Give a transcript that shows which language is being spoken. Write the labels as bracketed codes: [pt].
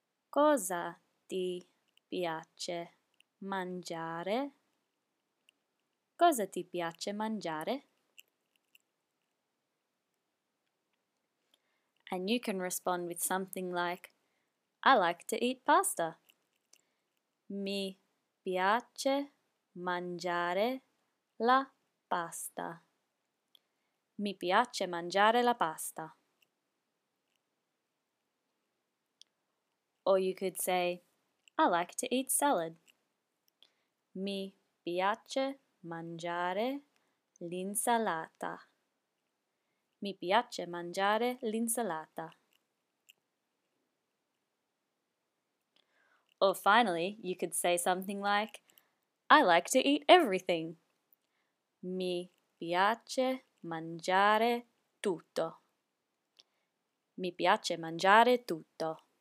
[it] Cosa ti piace mangiare? Cosa ti piace mangiare? [en] And you can respond with something like, I like to eat pasta. [it] Mi piace mangiare la pasta. Mi piace mangiare la pasta. [en] Or you could say, I like to eat salad. [it] Mi piace mangiare l'insalata. Mi piace mangiare l'insalata. [en] Or finally, you could say something like, I like to eat everything. [it] Mi piace mangiare tutto. Mi piace mangiare tutto.